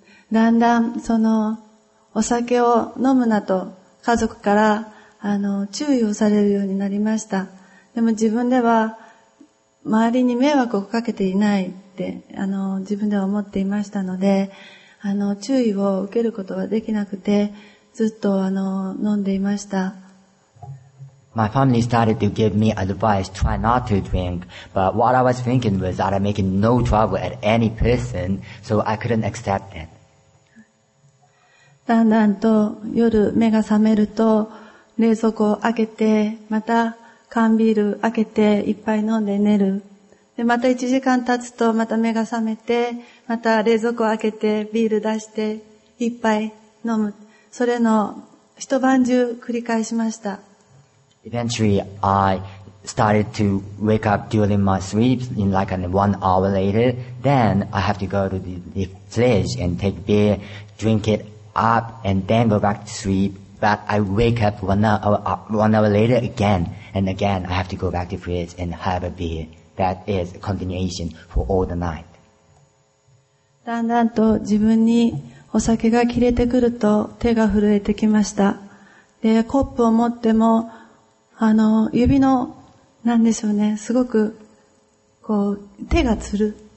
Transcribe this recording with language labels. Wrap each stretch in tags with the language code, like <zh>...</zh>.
<ja>だんだんそのお酒を飲むなと家族から注意をされるようになりました。でも自分では周りに迷惑をかけていないって自分では思っていましたので、注意を受けることはできなくて、ずっと飲んでいました。</ja> <en>My family started to give me advice, try not to drink, but what I was thinking was that I'm making no trouble at any person, so I couldn't accept it.</en> <ja>だんだんと夜目が覚めると、冷蔵庫を開けて、また缶ビール開けて、いっぱい飲んで寝る。で、また1時間経つと、また目が覚めて、また冷蔵庫を開けて、ビール出して、いっぱい飲む。それの一晩中繰り返しました。</ja> <en>Eventually, I started to wake up during my sleep in like an 1 hour later. Then I have to go to the fridge and take beer, drink it up, and then go back to sleep. But I wake up one hour later again, and again I have to go back to the fridge and have a beer. That is a continuation for all the night.</en> <ja>だんだんと自分にお酒が切れてくると手が震えてきました。で、コップを持っても指の、なんでしょうね、すごく、こう、手がつる。</ja>